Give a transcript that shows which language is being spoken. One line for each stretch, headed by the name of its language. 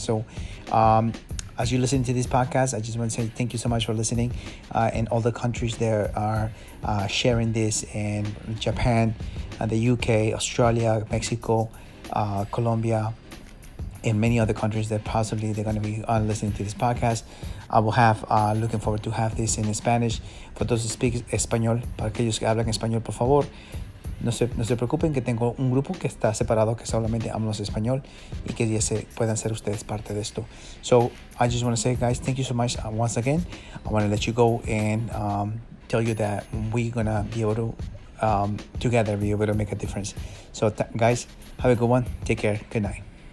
English: So as you listen to this podcast, I just want to say thank you so much for listening, and all the countries that are sharing this, and Japan and the UK, Australia, Mexico, Colombia, in many other countries that possibly they're going to be listening to this podcast. I will have looking forward to have this in Spanish. For those who speak Espanol,
Spanish: para aquellos que hablan Espanol, por favor, no se preocupen que tengo un grupo que está separado, que solamente hablamos Espanol, y que ya se puedan ser ustedes parte de esto.
English: So I just want to say, guys, thank you so much once again. I want to let you go and tell you that we're going to be able to together be able to make a difference. So guys, have a good one. Take care. Good night.